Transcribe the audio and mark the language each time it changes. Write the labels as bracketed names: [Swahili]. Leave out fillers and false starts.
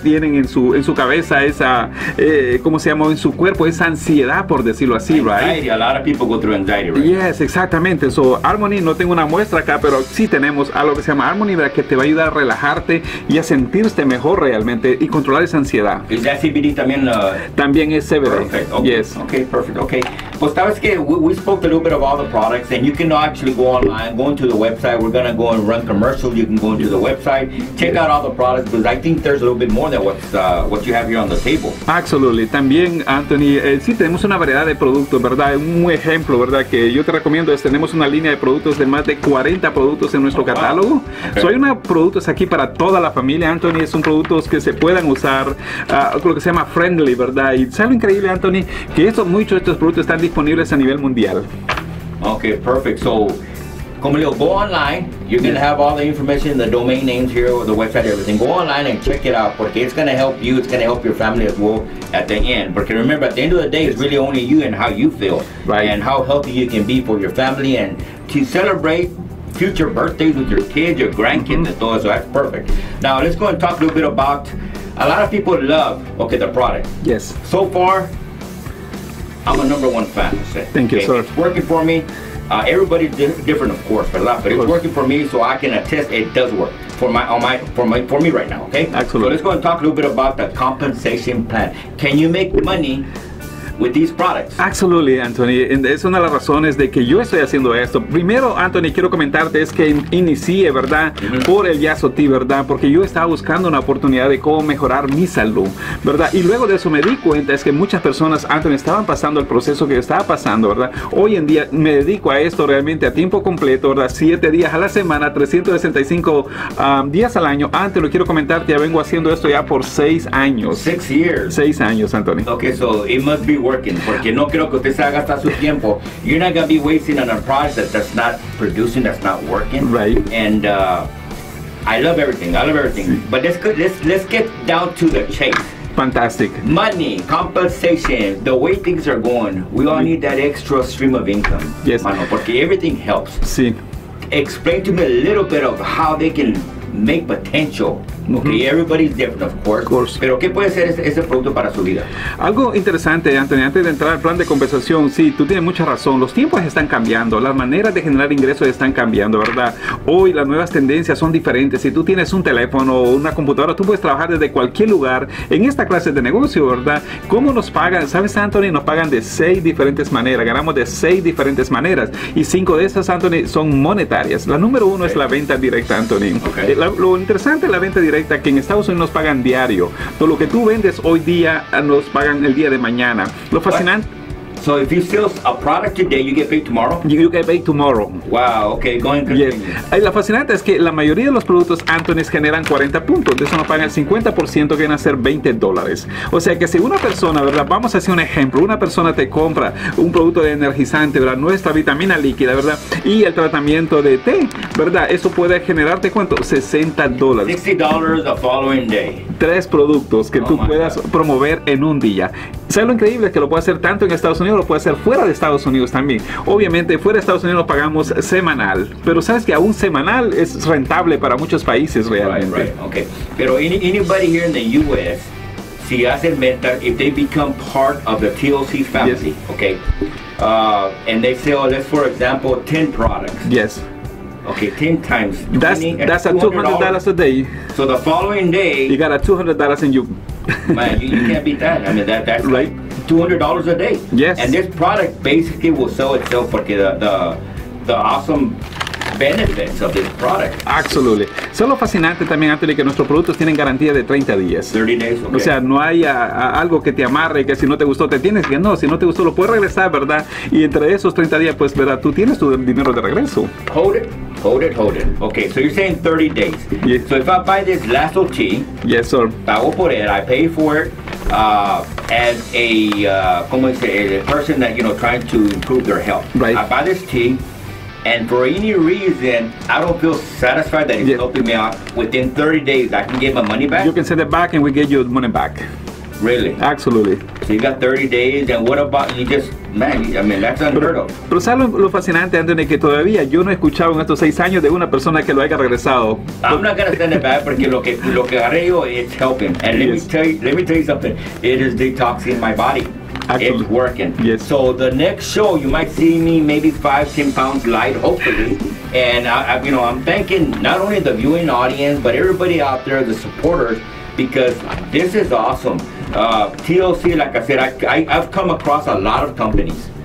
[Spanish] Tienen en su cabeza esa, ¿cómo se llama? En su cuerpo, esa ansiedad, por decirlo así, ¿verdad? [English] Anxiety. Right? A lot of people go through anxiety, [Spanish] ¿verdad? [English] Right? Yes, exactamente. [Spanish] So, Harmony, no tengo una muestra acá, pero sí tenemos algo que se llama Harmony, ¿verdad? Que te va a ayudar a relajarte y a sentirte mejor realmente y controlar esa ansiedad. ¿Es CBD también? También es CBD. [English] Perfect. Okay. Yes. Okay, perfect. Okay. Well, Stavis, we spoke a little bit of all the products, and you can actually go online, go into the website. We're going to go and run commercials. You can go into the website, check out all the products, because I think there's a little bit more than what you have here on the table. Absolutely. [Spanish] También, Anthony, sí, tenemos una variedad de productos, ¿verdad? Un ejemplo, ¿verdad?, que yo te recomiendo es, tenemos una línea de productos de más de 40 productos en nuestro catálogo. Okay. So, hay unos productos aquí para toda la familia, Anthony. Son productos que se puedan usar, lo que se llama friendly, ¿verdad? Y sale increíble, Anthony, que esto, muchos de estos productos están disponibles a nivel mundial. [English] Okay, perfect. So, [Spanish] como le digo, [English] go online. You're going to have all the information, the domain names here, or the website, everything. Go online and check it out, porque it's going to help you. It's going to help your family as well at the end. Porque remember, at the end of the day, it's really only you and how you feel. Right. And how healthy you can be for your family and to celebrate future birthdays with your kids, your grandkids, mm-hmm. and all. So that's perfect. Now, let's go and talk a little bit about, a lot of people love, okay, the product. Yes. So far, I'm a number one fan. Thank you, sir. It's working for me. Everybody's different, of course, but it's working for me, so I can attest it does work for me right now. Okay. Absolutely. So let's go and talk a little bit about the compensation plan. Can you make money with these products? Absolutely, Anthony. [Spanish] Es una de las razones de que yo estoy haciendo esto. Primero, Anthony, quiero comentarte es que inicié, ¿verdad? Mm-hmm. Por el YASOT, ¿verdad? Porque yo estaba buscando una oportunidad de cómo mejorar mi salud, ¿verdad? Y luego de eso me di cuenta es que muchas personas, Anthony, estaban pasando el proceso que yo estaba pasando, ¿verdad? Hoy en día me dedico a esto realmente a tiempo completo, ¿verdad? 7 días a la semana, 365 días al año. Anthony, quiero comentarte, ya vengo haciendo esto ya por 6 años. [English] 6 years. [Spanish] 6 años, Anthony. [English] Okay, so it must be working, [Spanish] porque no quiero que usted se haya gastado su tiempo. [English] You're not gonna be wasting on a product that's not producing, that's not working. Right. And I love everything. Sí. But let's get down to the chase. Fantastic. Money, compensation, the way things are going, we all need that extra stream of income. Yes. [Spanish] Mano, porque [English] everything helps. [Spanish] Sí. [English] Explain to me a little bit of how they can make potential. Okay, mm-hmm. Everybody's different, of course. [Spanish] Pero ¿qué puede ser ese producto para su vida? Algo interesante, Anthony, antes de entrar al plan de compensación, sí, tú tienes mucha razón. Los tiempos están cambiando, las maneras de generar ingresos están cambiando, ¿verdad? Hoy las nuevas tendencias son diferentes. Si tú tienes un teléfono o una computadora, tú puedes trabajar desde cualquier lugar en esta clase de negocio, ¿verdad? ¿Cómo nos pagan? ¿Sabes, Anthony? Nos pagan de 6 diferentes maneras. Ganamos de 6 diferentes maneras. Y 5 de esas, Anthony, son monetarias. La número 1 es la venta directa, Anthony. Okay. Lo interesante es la venta directa, que en Estados Unidos nos pagan diario. Todo lo que tú vendes hoy día nos pagan el día de mañana. Lo fascinante. [English] So if you sell a product today, you get paid tomorrow? You get paid tomorrow. Wow, okay, go ahead. [Spanish] Yes. La fascinante es que la mayoría de los productos, Anthony, generan 40 puntos. De eso nos pagan el 50%, que van a ser $20. O sea que si una persona, ¿verdad? Vamos a hacer un ejemplo. Una persona te compra un producto de energizante, ¿verdad? Nuestra vitamina líquida, ¿verdad? Y el tratamiento de té, ¿verdad? Eso puede generarte, ¿cuánto? $60. [English] $60 the following day. [Spanish] Tres productos que tú puedas promover en un día. ¿Sabes lo increíble? Que lo puede hacer tanto en Estados Unidos, lo puede hacer fuera de Estados Unidos también. Obviamente, fuera de Estados Unidos lo pagamos semanal. Pero sabes que aún semanal es rentable para muchos países realmente. [English] Right, okay. Pero anybody here in the U.S., [Spanish] si hacen venta, [English] if they become part of the TLC family, yes. Okay, and they sell, let's for example, 10 products. Yes. Okay, 10 times. That's a $200 a day. So the following day, you got a $200 in you. Man, you can't beat that. I mean, that's right. Like $200 a day. Yes. And this product basically will sell itself because the awesome benefits of this product. Absolutely. [Spanish] Solo fascinante también, Anthony, que nuestros productos tienen garantía de 30 días. [English] 30 days, okay. [Spanish] O sea, no hay algo que te amarre, que si no te gustó, te tienes que, no, si no te gustó, lo puedes regresar, ¿verdad? Y entre esos 30 días, pues, ¿verdad? Tú tienes tu dinero de regreso. [English] Hold it. Okay, so you're saying 30 days. Yes. So if I buy this Lasso T, yes, sir. [Spanish] Pago por [English] it, I pay for it as a, [Spanish] como dice, [English] a person that, you know, trying to improve their health. Right. I buy this tea. And for any reason, I don't feel satisfied that it's helping me out. Within 30 days, I can get my money back? You can send it back and we get your money back. Really? Absolutely. So you got 30 days and what about you just... Man, I mean, that's unheard of. [Spanish] Pero ¿sabes lo fascinante, Anthony, que todavía yo no he escuchado en estos 6 años de una persona que lo haya regresado? [English] I'm not going to send it back [Spanish] porque lo que agarré yo, [English] it's helping. And let me tell you something. It is detoxing my body. Actually, it's working. Yes. So the next show, you might see me maybe 5-10 pounds light, hopefully. And I'm thanking not only the viewing audience, but everybody out there, the supporters, because this is awesome. TLC, like I said, I've come across a lot of companies.